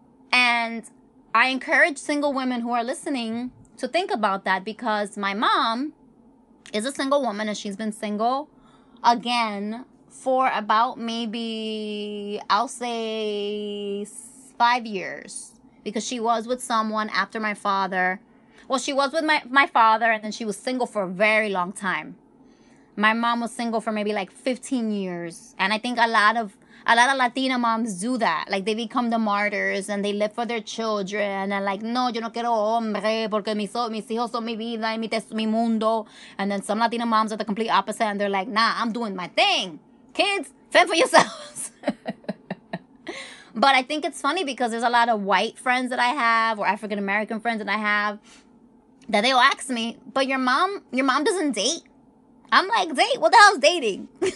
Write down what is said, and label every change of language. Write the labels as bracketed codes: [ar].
[en] And I encourage single women who are listening to think about that, because my mom is a single woman and she's been single again for about maybe, I'll say, 5 years, because she was with someone after my father. Well, she was with my father, and then she was single for a very long time. My mom was single for maybe like 15 years. And I think a lot of Latina moms do that. Like, they become the martyrs and they live for their children. And like, [es] no, yo no quiero hombre porque mis hijos son mi vida y mi mundo. [en] And then some Latina moms are the complete opposite. And they're like, nah, I'm doing my thing. Kids, fend for yourselves. But I think it's funny because there's a lot of white friends that I have, or African-American friends that I have, that they'll ask me, but your mom doesn't date. I'm like, date? What the hell is dating?